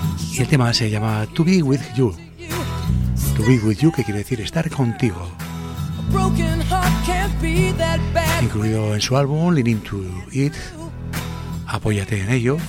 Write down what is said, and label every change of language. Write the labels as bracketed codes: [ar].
[es] Y el tema se llama To Be With You. To Be With You, que quiere decir estar contigo. [en] Broken heart can't be that bad. [es] Incluido en su álbum Lean Into It, apóyate en ello.